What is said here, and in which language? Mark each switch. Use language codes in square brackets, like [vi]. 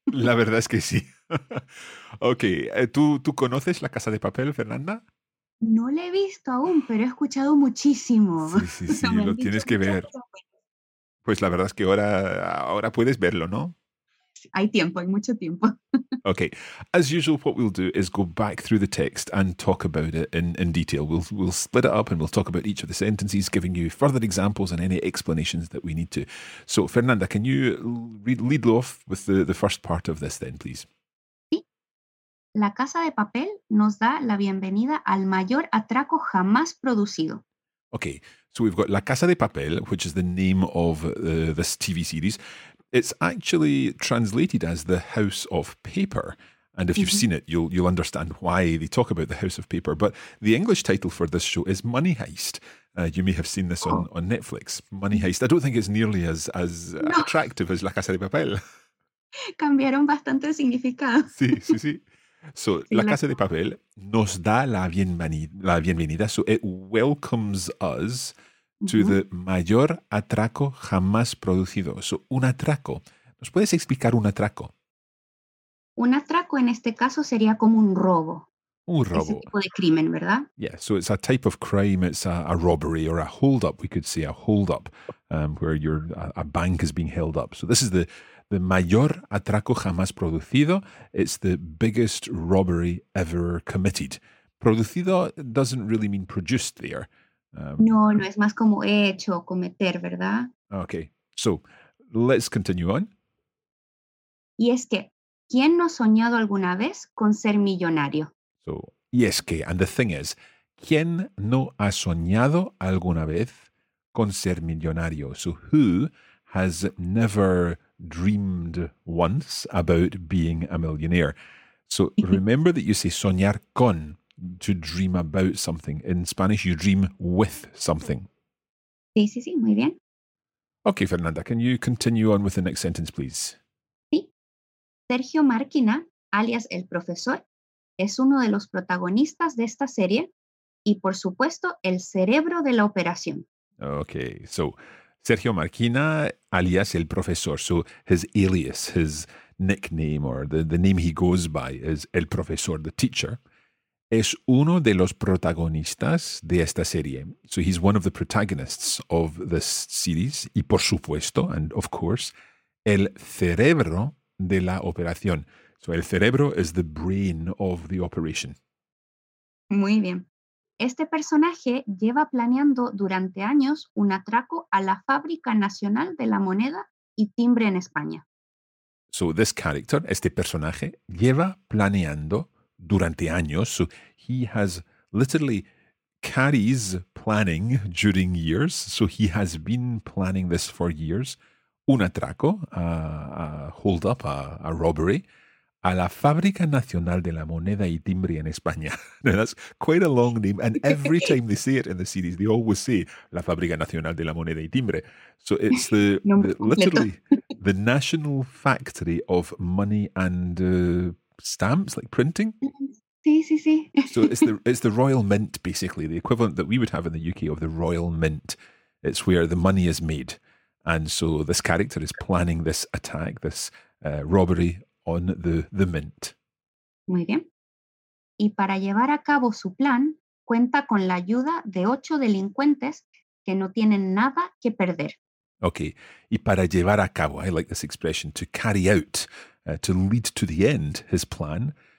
[es] La verdad es que sí. Ok, ¿tú conoces La Casa de Papel, Fernanda? No la he visto aún, pero he escuchado muchísimo. Sí, lo tienes que ver. Pues la verdad es que ahora puedes verlo, ¿no? Hay tiempo, hay mucho tiempo. [en] Okay, as usual, what we'll do is go back through the text and talk about it in detail. We'll split it up and we'll talk about each of the sentences, giving you further examples and any explanations that we need to. So, Fernanda, can you lead off with the first part of this then, please? [es] Sí. La Casa de Papel nos da la bienvenida al mayor atraco jamás producido. [en] Okay, so we've got La Casa de Papel, which is the name of this TV series. It's actually translated as The House of Paper. And if you've seen it, you'll understand why they talk about The House of Paper. But the English title for this show is Money Heist. You may have seen this on Netflix. Money Heist. I don't think it's nearly as attractive as La Casa de Papel. [es] Cambiaron bastante el significado. Sí, sí, sí. So La Casa de Papel nos da la bienvenida. [en] So it welcomes us to the [es] mayor atraco jamás producido. So, un atraco. ¿Nos puedes explicar un atraco? Un atraco en este caso sería como un robo. Un robo. Ese tipo de crimen, ¿verdad? [en] Yeah, so it's a type of crime. It's a robbery or a hold up. We could say a hold up where a bank is being held up. So this is the [es] mayor atraco jamás producido. [en] It's the biggest robbery ever committed. Producido doesn't really mean produced there. [es] No, es más como hecho, cometer, ¿verdad? [en] Okay, so let's continue on. [es] Y es que, ¿quién no ha soñado alguna vez con ser millonario? So, y es que, [en] and the thing is, [es] ¿quién no ha soñado alguna vez con ser millonario? [en] So, who has never dreamed once about being a millionaire? So, remember that you say [es] soñar con. [en] To dream about something. In Spanish, you dream with something. [es] Sí, sí, sí, muy bien. [en] Okay, Fernanda, can you continue on with the next sentence, please? [es] Sí. Sergio Márquina, alias el profesor, es uno de los protagonistas de esta serie y, por supuesto, el cerebro de la operación. [en] Okay, so Sergio Márquina, [es] alias el profesor, [en] so his alias, his nickname or the name he goes by is [es] el profesor, [en] the teacher. [es] Es uno de los protagonistas de esta serie. [en] So he's one of the protagonists of this series. [es] Y por supuesto, [en] and of course, [es] el cerebro de la operación. [en] So [es] el cerebro [en] is the brain of the operation. [es] Muy bien. Este personaje lleva planeando durante años un atraco a la Fábrica Nacional de la Moneda y Timbre en España. [en] So this character, [es] este personaje, lleva planeando durante años, [en] so he has literally carries planning during years, so he has been planning this for years, [es] un atraco, [en] a hold up, a robbery, [es] a la Fábrica Nacional de la Moneda y Timbre en España. [en] Now that's quite a long name, and every time they say it in the series, they always say [es] la Fábrica Nacional de la Moneda y Timbre. [en] So it's the literally the national factory of money and stamps, like printing? [es] Sí, sí, sí. [en] So it's the Royal Mint, basically, the equivalent that we would have in the UK of the Royal Mint. It's where the money is made. And so this character is planning this attack, this robbery on the mint. [es] Muy bien. Y para llevar a cabo su plan, cuenta con la ayuda de 8 delincuentes que no tienen nada que perder. [en] Okay. [es] Y para llevar a cabo, [en] I like this expression, to carry out, to lead to the end, his plan,